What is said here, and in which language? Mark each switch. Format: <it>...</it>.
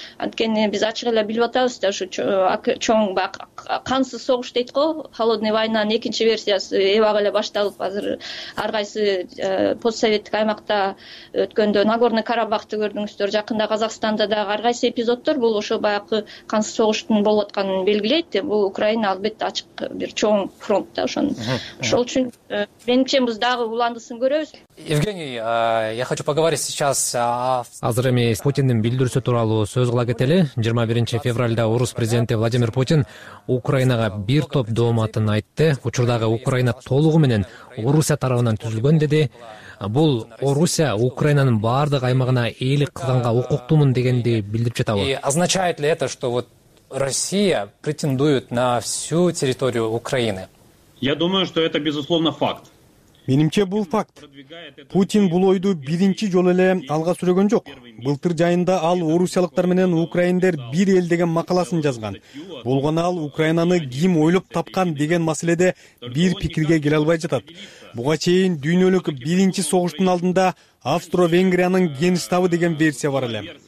<ky>Анткени биз ачык эле билип атабыз да ушу чоң бак кансыз согуш дейт го,</ky> <ru>холодная войнанын</ru> <ky>экинчи версиясы эбак эле башталып, азыр ар кайсы постсоветтик аймакта өткөндө Нагорный Карабахты көрдүңүздөр, жакында Казакстанда да ар кайсы эпизоддор бул ошо баягы кансыз согуштун болуп атканын белгилейт. Бул Украина албетте ачык бир чоң фронт да ошону. Ошол үчүн менимче биз дагы уландысын көрөбүз.</ky> <ru>Евгений, я хочу поговорить сейчас</ru> <ky>азыр эми Путиндин билдирүүсү тууралуу сөз кыла кетели. 21 февралда орус президенти Владимир Путин Украинага бир топ дооматын айтты. Учурдагы Украина толугу менен Орусия тарабынан түзүлгөн деди. Бул Орусия Украинанын баардык аймагына ээлик кылганга укуктуумун дегенди билдирип жатабы?</ky> <ru>И означает ли это, что вот Россия претендует на всю территорию Украины? Я думаю, что это безусловно факт.</ru> <ky>Менимче бул факт. Путин бул ойду биринчи жолу эле алга сүргөн жок. Былтыр жайында ал орусиялыктар менен украиндер бир эл деген макаласын жазган. Болгону ал Украинаны ким ойлоп тапкан деген маселеде бир пикирге келе албай жатат. Буга чейин дүйнөлүк биринчи согуштун алдында Австро-Венгриянын генштабы деген версия бар эле.</ky>